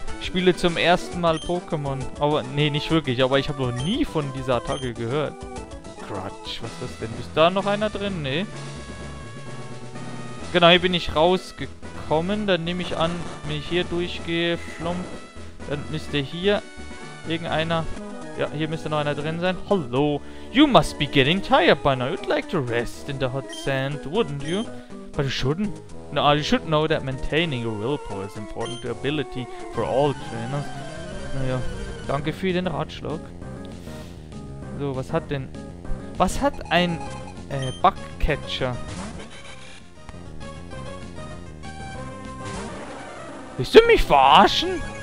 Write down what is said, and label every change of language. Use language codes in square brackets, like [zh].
[de] spiele zum ersten Mal Pokémon. Aber, nee, nicht wirklich. Aber ich habe noch nie von dieser Attacke gehört. Quatsch, was ist das denn? Ist da noch einer drin? Nee. Genau, hier bin ich rausgekommen. Dann nehme ich an, wenn ich hier durchgehe, flump, dann müsste hier irgendeiner... Ja, hier müsste noch einer drin sein. Hallo. [en] You must be getting tired by now. You'd like to rest in the hot sand, wouldn't you? But you shouldn't. No, you should know that maintaining your willpower is important to ability for all trainers. [de] Naja, danke für den Ratschlag. So, was hat denn... Was hat ein Bugcatcher? Willst du mich verarschen?